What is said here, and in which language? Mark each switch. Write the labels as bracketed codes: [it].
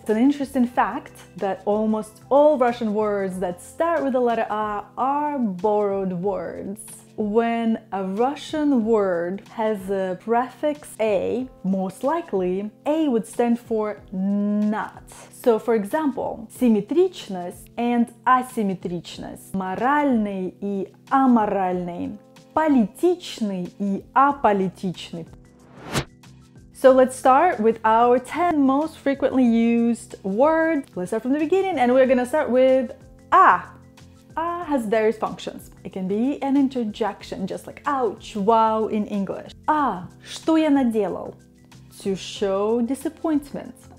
[en] It's an interesting fact that almost all Russian words that start with the letter А are borrowed words. When a Russian word has a prefix A, most likely A would stand for not. So for example, [ru] симметричность and асимметричность, моральный и аморальный, политичный и аполитичный. [en] So let's start with our 10 most frequently used words. Let's start from the beginning, and we're gonna start with А. А has various functions. It can be an interjection, just like ouch, wow in English. [ru] А, что я наделал? [en] To show disappointment.